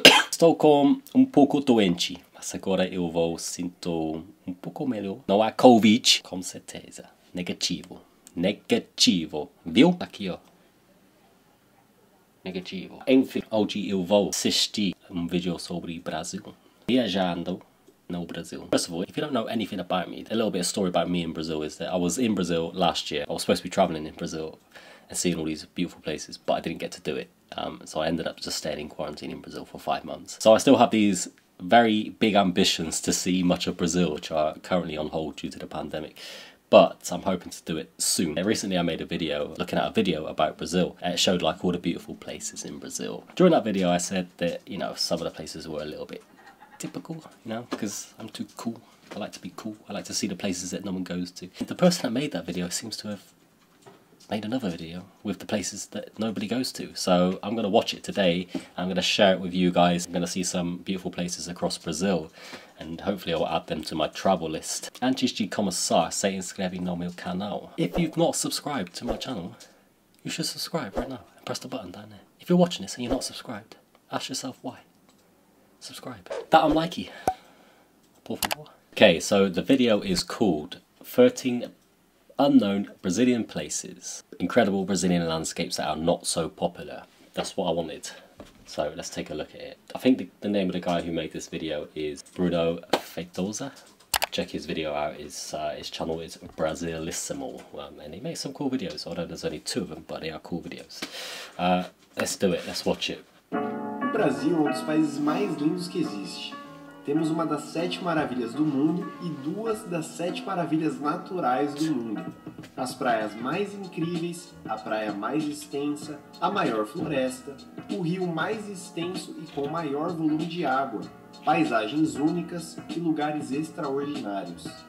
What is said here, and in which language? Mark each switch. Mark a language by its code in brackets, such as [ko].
[pt] Estou com um pouco doente, mas agora eu vou sinto um pouco melhor. Não há Covid, com certeza. Negativo, viu? Aqui, ó. Negativo. Enfim, hoje eu vou assistir um vídeo sobre Brasil. Viajando no Brasil. [en] First of all, if you don't know anything about me, a little bit of story about me in Brazil is that I was in Brazil last year. I was supposed to be traveling in Brazil and seeing all these beautiful places, but I didn't get to do it. So I ended up just staying in quarantine in Brazil for 5 months. So I still have these very big ambitions to see much of Brazil, which are currently on hold due to the pandemic. But I'm hoping to do it soon. Recently I made a video, looking at a video about Brazil, and it showed like all the beautiful places in Brazil. During that video I said that, you know, some of the places were a little bit typical, you know, because I'm too cool. I like to be cool. I like to see the places that no one goes to. The person that made that video seems to have made another video with the places that nobody goes to. So I'm gonna watch it today. I'm gonna share it with you guys. I'm gonna see some beautiful places across Brazil and hopefully I'll add them to my travel list. [pt] Antes de começar, se inscreve no meu canal. [en] If you've not subscribed to my channel, you should subscribe right now. Press the button down there. If you're watching this and you're not subscribed, ask yourself why. Subscribe. That I'm likey. [pt] Por favor. [en] Okay, so the video is called 13 Unknown Brazilian Places. Incredible Brazilian landscapes that are not so popular. That's what I wanted. So let's take a look at it. I think the name of the guy who made this video is Bruno Feitosa. Check his video out. His channel is Brasilissimo. And he makes some cool videos, although there's only two of them, but they are cool videos. Let's do it. Let's watch it. [pt] O Brasil é um dos países mais lindos que existe. Temos uma das sete maravilhas do mundo e duas das sete maravilhas naturais do mundo. As praias mais incríveis, a praia mais extensa, a maior floresta, o rio mais extenso e com maior volume de água, paisagens únicas e lugares extraordinários.